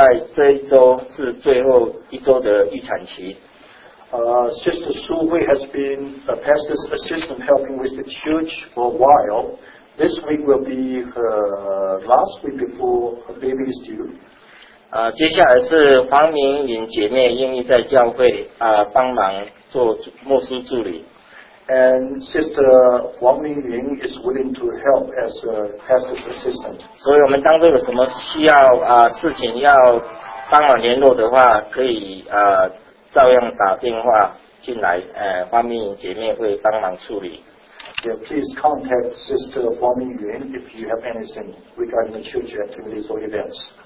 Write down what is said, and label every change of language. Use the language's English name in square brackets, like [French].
[Chinese] 李淑慧姐妹过去几个月帮助我们做牧师的助理，她在这一周是最后一周的预产期。 [English] Sister Su Hui has been a pastor's assistant helping with the church for a while. This week will be her last week before her baby is due. [Chinese] 接下来是黄明颖姐妹愿意在教会帮忙做牧师助理。 [English] And Sister Huang Mingyun is willing to help as a pastor's assistant. [Chinese] 所以我们当中有什么需要事情要帮忙联络的话，可以照样打电话进来，黄明颖姐妹会帮忙处理。 [English] Yeah, please contact Sister Huang Mingyun if you have anything regarding the church activities or events.